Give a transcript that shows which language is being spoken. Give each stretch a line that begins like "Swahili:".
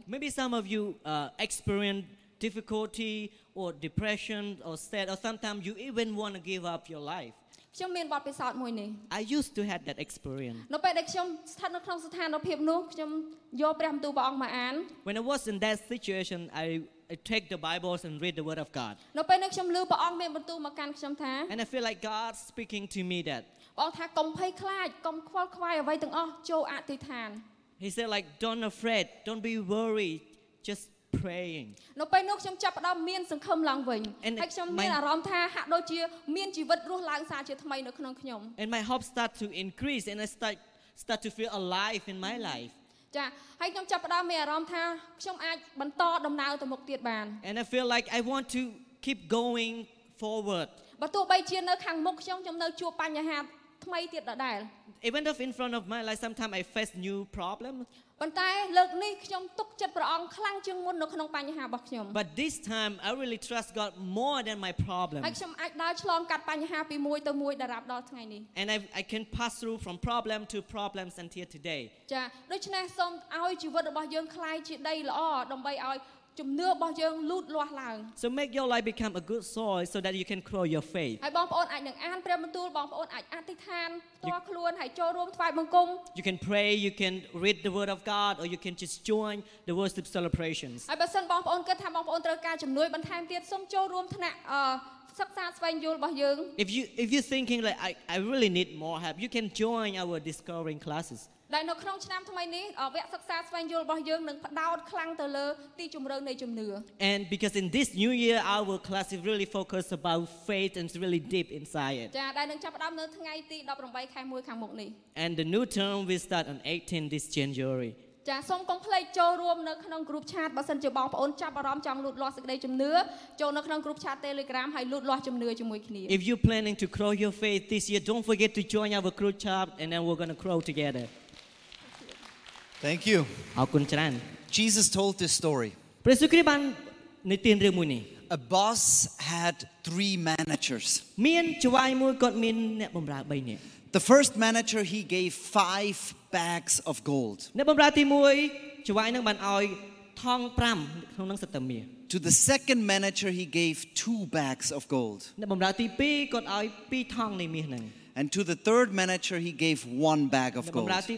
English: Maybe some of you experience difficulty or depression or sad or sometimes you even want to give up your life
Khmer: ខ្ញុំមានបទពិសោធន៍មួយនេះ
English: I used to have that experience
Khmer: នៅពេលដែលខ្ញុំស្ថិតនៅក្នុងស្ថានភាពនោះខ្ញុំយកព្រះបន្ទូលព្រះអង្គមកអាន
English: When I was in that situation I take the Bibles and read the Word of God.
Khmer: នៅពេលនេះខ្ញុំឮព្រះអង្គមានបន្ទូលមកកាន់ខ្ញុំថា
English: And I feel like God speaking to me that
Khmer: បងថាកុំភ័យខ្លាចកុំខ្វល់ខ្វាយអ្វីទាំងអស់ចូលអធិដ្ឋាន
English: He said like don't afraid, don't be worried, just praying.
Khmer: នៅពេលនោះខ្ញុំចាប់ផ្ដើមមានសង្ឃឹមឡើងវិញហើយខ្ញុំមានអារម្មណ៍ថាហាក់ដូចជាមានជីវិតរស់ឡើងសារជាថ្មីនៅក្នុងខ្ញុំ
English: And my hope start to increase and I start to feel alive in my life.
Khmer: ចា៎ហើយខ្ញុំចាប់ផ្ដើមមានអារម្មណ៍ថាខ្ញុំអាចបន្តដំណើរទៅមុខទៀតបាន
English: And I feel like I want to keep going forward
Khmer: បើទោះបីជានៅខាងមុខខ្ញុំនៅជួបបញ្ហាថ្មីទៀតដដែល
English: Even though in front of my life sometimes I face new problem
Khmer: ប៉ុន្តែលើកនេះខ្ញុំទុកចិត្តព្រះអង្គខ្លាំងជាងមុននៅក្នុងបញ្ហារបស់ខ្ញុំ
English: But this time I really trust God more than my problem
Khmer: ហើយខ្ញុំអាចដើរឆ្លងកាត់បញ្ហាពីមួយទៅមួយដរាបដល់ថ្ងៃនេះ
English: And I can pass through from problem to problems until today
Khmer: ចា៎ដូច្នេះសូមឲ្យជីវិតរបស់យើងក្លាយជាដីល្អដើម្បីឲ្យជំនឿរបស់យើងលូតលាស់ឡើង
English: So make your life become a good soil so that you can grow your faith
Khmer: ហើយបងប្អូនអាចនឹងអានព្រះបន្ទូលបងប្អូនអាចអធិដ្ឋានផ្ទាល់ខ្លួនហើយចូលរួមថ្វាយបង្គំ
English: You can pray you can read the word of God or you can just join the worship celebrations
Khmer: ហើយបើសិនបងប្អូនគិតថាបងប្អូនត្រូវការជំនួយបន្ថែមទៀតសូមចូលរួមថ្នាក់សិក្សាស្វែងយល់របស់យើង
English: If you're thinking like I really need more help you can join our discovering classes
Khmer: ដ ដែលនៅក្នុងឆ្នាំថ្មីនេះវគ្គសិក្សាស្វែងយល់របស់យើងនឹងផ្ដោតខ្លាំងទៅលើទីជំរឿននៃជំនឿ
English: And because in this new year our class is really focused about faith and it's really deep inside it
Khmer: ចា៎ដែលនឹងចាប់ផ្ដើមនៅថ្ងៃទី18ខែ1ខាងមុខនេះ
English: And the new term we start on 18 this January
Khmer: ចា៎សូមកុំភ្លេចចូលរួមនៅក្នុង group chat បើសិនជាបងប្អូនចាប់អារម្មណ៍ចង់លូតលាស់សេចក្តីជំនឿចូលនៅក្នុង group chat Telegram ហើយលូតលាស់ជំនឿជាមួយគ្នា
English: If you're planning to grow your faith this year don't forget to join our group chat and then we're going to grow together Thank you.
Khmer: អរគុណច្រើន.
English: Jesus told this story.
Khmer: ព្រះសូគ្រីបបាននិទានរឿងមួយនេះ.
English: A boss had three managers.
Khmer: មានជាវាយមួយគាត់មានអ្នកបម្រើ3នាក់.
English: The first manager he gave 5 bags of gold.
Khmer: អ្នកបម្រើទី1ជាវាយនឹងបានឲ្យថង់5ក្នុងនឹងសត្វមាស.
English: To the second manager he gave 2 bags of gold.
Khmer: អ្នកបម្រើទី2គាត់ឲ្យ2ថង់នៃមាសនឹង.
English: And to the third manager, he gave 1 bag of gold.